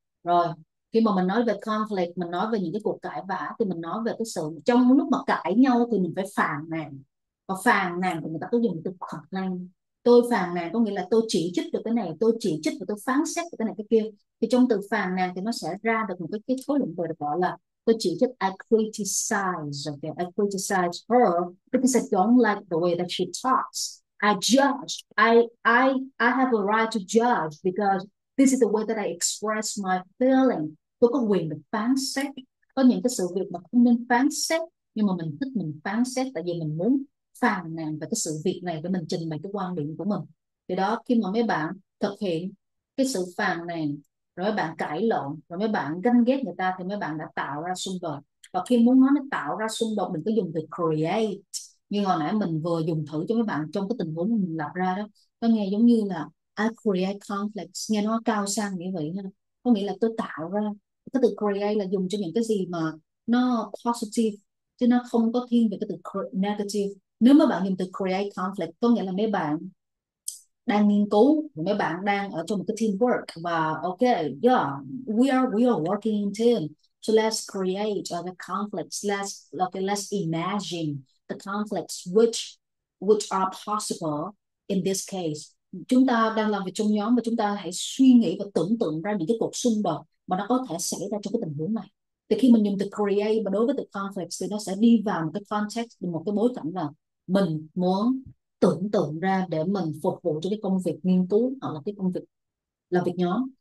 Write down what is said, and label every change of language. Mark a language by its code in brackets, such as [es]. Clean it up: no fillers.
[vi] Rồi khi mà mình nói về conflict, mình nói về những cái cuộc cãi vã thì mình nói về cái sự trong lúc mà cãi nhau thì mình phải phàn nàn. Và phàn nàn thì người ta có dùng từ complain. Tôi phàn nàn có nghĩa là tôi chỉ trích được cái này, tôi chỉ trích và tôi phán xét được cái này cái kia. Thì trong từ phàn nàn thì nó sẽ ra được một cái khối lượng từ được gọi là tôi chỉ trích, [en] I criticize, okay? I criticize her because I don't like the way that she talks. I have a right to judge because this is the way that I express my feeling. [vi] Tôi có quyền được phán xét. Có những cái sự việc mà không nên phán xét, nhưng mà mình thích mình phán xét tại vì mình muốn phàn nàn về cái sự việc này để mình trình bày cái quan điểm của mình. Thì đó, khi mà mấy bạn thực hiện cái sự phàn nàn, rồi bạn cãi lộn, rồi mấy bạn ganh ghét người ta, thì mấy bạn đã tạo ra xung đột. Và khi muốn nói nó tạo ra xung đột, mình cứ dùng từ create. Như hồi nãy mình vừa dùng thử cho mấy bạn trong cái tình huống mình lập ra đó, nó nghe giống như là [en] I create conflicts, [vi] nghe nó cao sang như vậy ha. Có nghĩa là tôi tạo ra, cái từ create là dùng cho những cái gì mà nó positive, chứ nó không có thiên về cái từ negative. Nếu mà bạn dùng từ create conflict, có nghĩa là mấy bạn đang nghiên cứu, mấy bạn đang ở trong một cái teamwork, và [en] ok, we are working in team. So let's create the conflicts. Let's imagine the conflicts which are possible in this case. [vi] Chúng ta đang làm việc trong nhóm và chúng ta hãy suy nghĩ và tưởng tượng ra những cái cuộc xung đột mà nó có thể xảy ra trong cái tình huống này. Thì khi mình dùng từ create mà đối với từ conflict thì nó sẽ đi vào một cái context, một cái bối cảnh là mình muốn tưởng tượng ra để mình phục vụ cho cái công việc nghiên cứu hoặc là cái công việc làm việc nhóm.